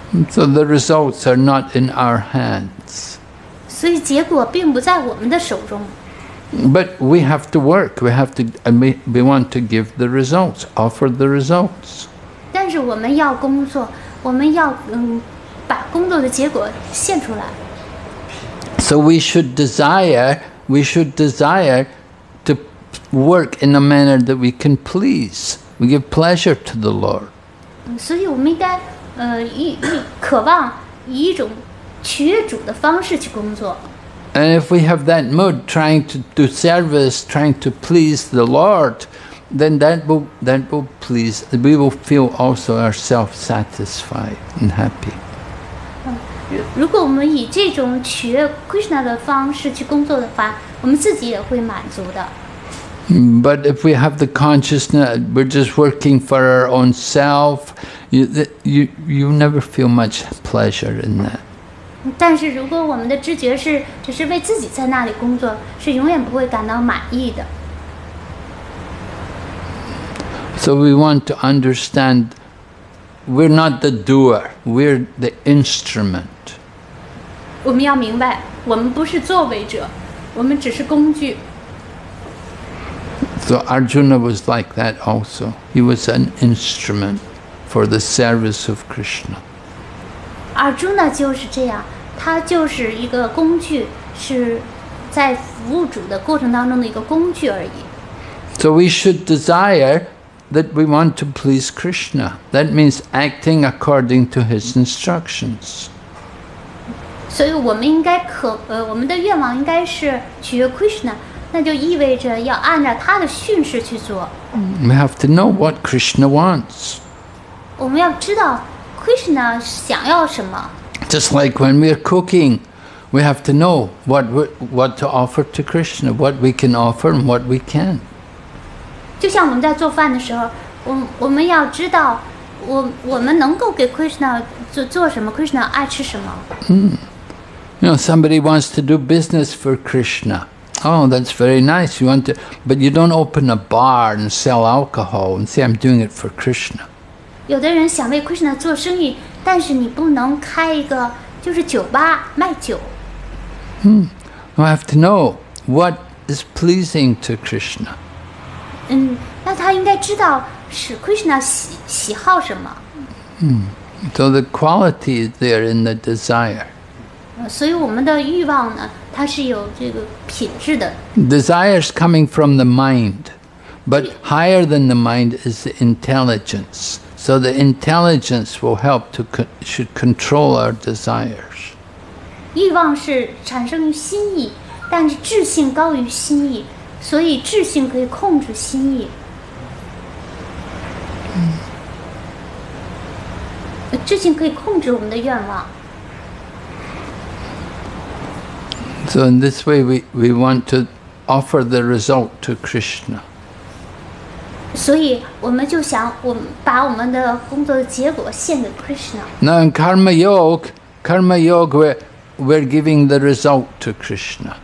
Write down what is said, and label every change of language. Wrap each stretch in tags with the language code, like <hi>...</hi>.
<en>So the results are not in our hands.</en> <zh>所以结果并不在我们的手中。</zh> <en>But we have to work. We want to give the results, offer the results.</en> <zh>但是我们要工作，我们要把工作的结果献出来。</zh> <en>So we should desire to work in a manner that we can please. We give pleasure to the Lord.</en> <zh>所以我们应该渴望以一种取悦主的方式去工作。</zh> <en>And if we have that mood, trying to do service, trying to please the Lord, then we will feel also ourselves satisfied and happy.</en> <zh>如果我们以这种取悦 Krishna 的方式去工作的话，我们自己也会满足的。</zh> <en>But if we have the consciousness, we're just working for our own self, you never feel much pleasure in that.</en> <zh>但是如果我们的知觉是只是为自己在那里工作，是永远不会感到满意的。</zh> <en>So we want to understand we're not the doer, we're the instrument.</en> <zh>我们要明白，我们不是作为者，我们只是工具。</zh> <en>So Arjuna was like that also. He was an instrument for the service of Krishna.</en> <zh>Arjuna 就是这样。他就是一个工具，是在服务主的过程当中的一个工具而已。</zh> <en>So we should desire that we want to please Krishna. That means acting according to his instructions.</en> <zh>所以我们应该我们的愿望应该是取悦 Krishna， 那就意味着要按照他的训示去做。</zh> <en>We have to know what Krishna wants.</en> <zh>我们要知道 Krishna 想要什么。</zh> <en>Just like when we are cooking, we have to know what to offer to Krishna, what we can offer and what we can't.</en> <zh>就像我们在做饭的时候，我们要知道我们能够给 Krishna 做什么， Krishna 爱吃什么。</zh> <en>You know, somebody wants to do business for Krishna. Oh, that's very nice. You want to, but you don't open a bar and sell alcohol and say, I'm doing it for Krishna.</en> <zh>有的人想为 Krishna 做生意。但是你不能开一个就是酒吧卖酒。</zh> <en>I have to know what is pleasing to Krishna.</en> <zh>那他应该知道是 Krishna 喜好什么。</zh> <en>So the quality is there in the desire.</en> <zh>所以我们的欲望呢，它是有这个品质的。</zh> <en>Desire is coming from the mind, but higher than the mind is the intelligence. So the intelligence will help to should control our desires.</en> <zh>欲望是产生于心意，但是智性高于心意，所以智性可以控制心意。智性可以控制我们的愿望。</zh> <en>So in this way we want to offer the result to Krishna.</en> <zh>所以我们就想把我们的工作的结果献给 Krishna.</zh> <en>Now in Karma Yoga, we're giving the result to Krishna.</en>